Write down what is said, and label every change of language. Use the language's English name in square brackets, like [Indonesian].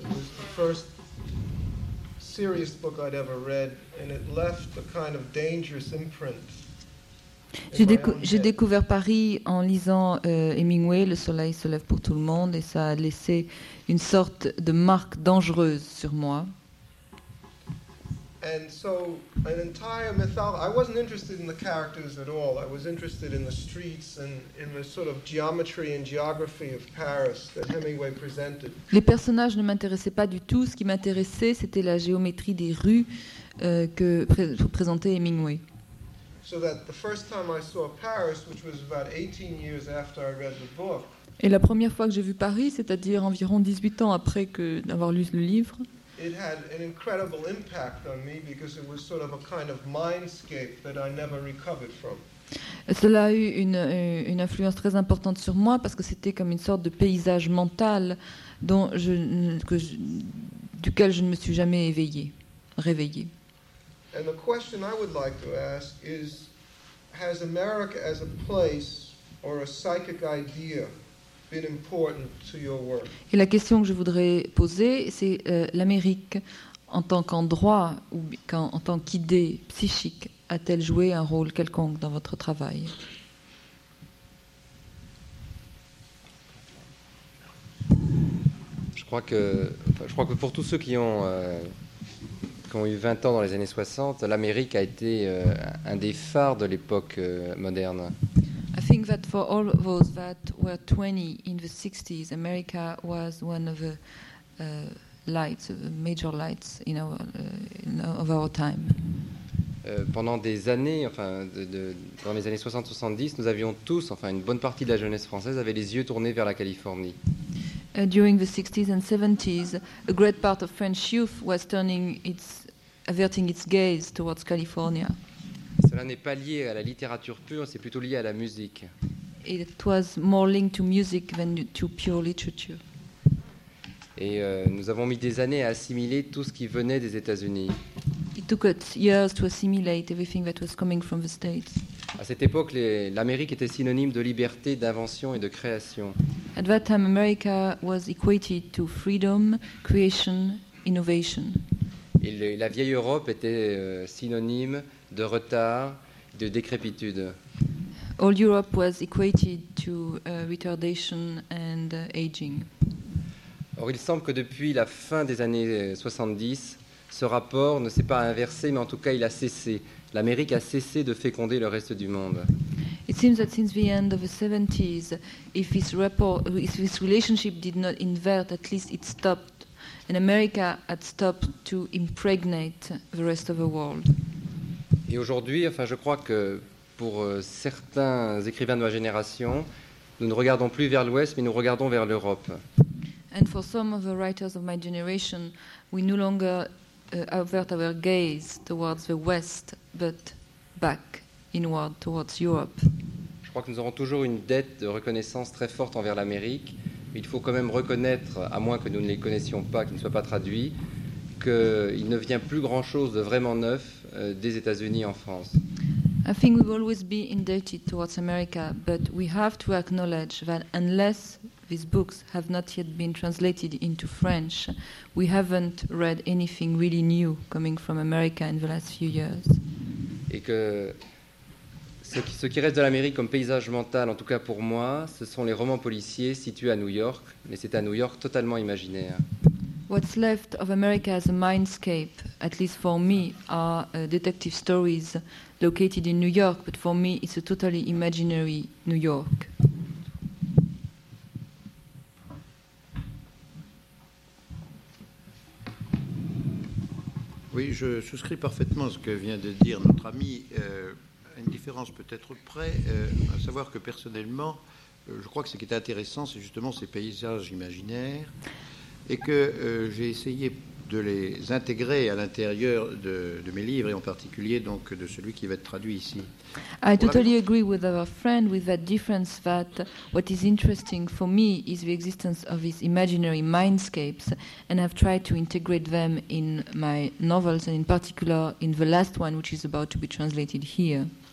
[English] It was the first serious book I'd ever read, and it left a kind of dangerous imprint. [French] J'ai découvert Paris en lisant Hemingway, Le Soleil se lève pour tout le monde, et ça a laissé une sorte de marque dangereuse sur moi. [English] And so an entire mythology, I wasn't interested in the characters at all. I was interested in the streets and in the sort of geometry and geography of Paris that Hemingway presented. [French] Les personnages ne m'intéressaient pas du tout. Ce qui m'intéressait, c'était la géométrie des rues que présentait Hemingway. [English] So that the first time I saw Paris, which was about 18 years after I read the book. [French] Et la première fois que j'ai vu Paris, c'est-à-dire environ 18 ans après d'avoir lu le livre. [English] It had an incredible impact on me because it was sort of a kind of mindscape that I never recovered from. [French] Cela a eu une influence très importante sur moi parce que c'était comme une sorte de paysage mental duquel je ne me suis jamais réveillé. [English] And the question I would like to ask is, has America as a place or a psychic idea been important to your work? [French] Et la question que je voudrais poser, c'est l'Amérique en tant qu'endroit ou en tant qu'idée psychique a-t-elle joué un rôle quelconque dans votre travail? Je crois que pour tous ceux qui ont eu 20 ans dans les années 60, l'Amérique a été un des phares de l'époque moderne. [English] I think that for all those that were 20 in the 60s, America was one of the lights, the major lights of our time. [French] Pendant des années, dans les années 60-70, nous avions tous, une bonne partie de la jeunesse française avait les yeux tournés vers la Californie. [English] During the 60s and 70s, a great part of French youth was averting its gaze towards California. [French] Cela n'est pas lié à la littérature pure, c'est plutôt lié à la musique. [English] It was more linked to music than to pure literature. [French] Et nous avons mis des années à assimiler tout ce qui venait des États-Unis. [English] It took us years to assimilate everything that was coming from the States. [French] À cette époque, l'Amérique était synonyme de liberté, d'invention et de création. [English] At that time, America was equated to freedom, creation, innovation. [French] Et la vieille Europe était synonyme de retard, de décrépitude. [English] Old Europe was equated to retardation and aging. [French] Or, il semble que depuis la fin des années 70, ce rapport ne s'est pas inversé, mais en tout cas, il a cessé. L'Amérique a cessé de féconder le reste du monde. [English] It seems that since the end of the 70s, if this relationship did not invert, at least it stopped, and America had stopped to impregnate the rest of the world. [French] Et aujourd'hui, enfin, je crois que pour certains écrivains de ma génération, nous ne regardons plus vers l'Ouest, mais nous regardons vers l'Europe. [English] And for some of the writers of my generation, we no longer avert our gaze towards the West, but back inward towards Europe. [French] Je crois que nous aurons toujours une dette de reconnaissance très forte envers l'Amérique, mais il faut quand même reconnaître, à moins que nous ne les connaissions pas, qu'ils ne soient pas traduits, qu'il ne vient plus grand-chose de vraiment neuf des États-Unis en France. [English] I think we will always be indebted towards America, but we have to acknowledge that unless these books have not yet been translated into French, we haven't read anything really new coming from America in the last few years. [French] Et que ce qui reste de l'Amérique comme paysage mental, en tout cas pour moi, ce sont les romans policiers situés à New York, mais c'est à New York totalement imaginaire. [English] What's left of America as a mindscape, at least for me, are detective stories located in New York, but for me, it's a totally imaginary New York. [French] Oui, je souscris parfaitement à ce que vient de dire notre ami, à une différence peut-être près, à savoir que personnellement, je crois que ce qui est intéressant, c'est justement ces paysages imaginaires, et que j'ai essayé de les intégrer à l'intérieur de mes livres, et en particulier donc de celui qui va être traduit ici. [English] I totally agree with our friend with that difference that what is interesting for me is the existence of these imaginary mindscapes, and I've tried to integrate them in my novels, and in particular in the last one, which is about to be translated here.